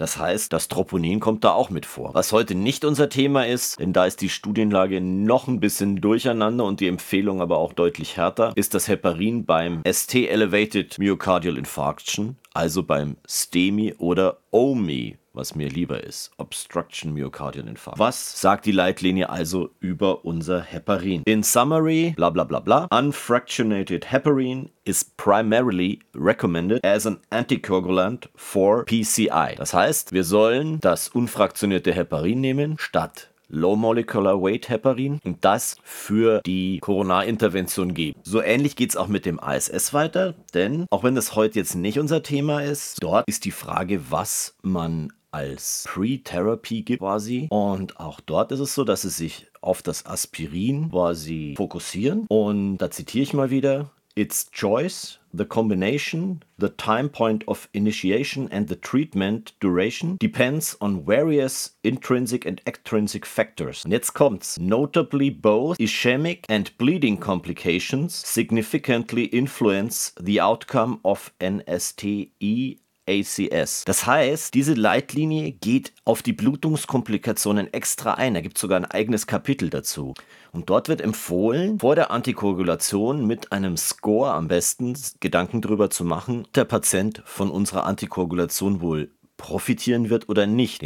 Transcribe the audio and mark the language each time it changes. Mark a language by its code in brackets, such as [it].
[de] Das heißt, das Troponin kommt da auch mit vor. Was heute nicht unser Thema ist, denn da ist die Studienlage noch ein bisschen durcheinander und die Empfehlung aber auch deutlich härter, ist das Heparin beim ST-Elevated Myocardial Infarction, also beim STEMI oder OMI, was mir lieber ist, Obstruction Myocardial Infarkt. Was sagt die Leitlinie also über unser Heparin? [en] In summary, bla bla bla bla, unfractionated Heparin is primarily recommended as an anticoagulant for PCI. [de] Das heißt, wir sollen das unfraktionierte Heparin nehmen statt Low Molecular Weight Heparin und das für die Koronarintervention geben. So ähnlich geht es auch mit dem ASS weiter, denn auch wenn das heute jetzt nicht unser Thema ist, dort ist die Frage, was man als Pre-Therapy gibt quasi. Und auch dort ist es so, dass sie sich auf das Aspirin quasi fokussieren. Und da zitiere ich mal wieder: [en] its choice, the combination, the time point of initiation and the treatment duration depends on various intrinsic and extrinsic factors. [de] Und jetzt kommt's. [en] Notably, both ischemic and bleeding complications significantly influence the outcome of NSTE ACS. [de] Das heißt, diese Leitlinie geht auf die Blutungskomplikationen extra ein. Da gibt es sogar ein eigenes Kapitel dazu. Und dort wird empfohlen, vor der Antikoagulation mit einem Score am besten Gedanken darüber zu machen, ob der Patient von unserer Antikoagulation wohl profitieren wird oder nicht.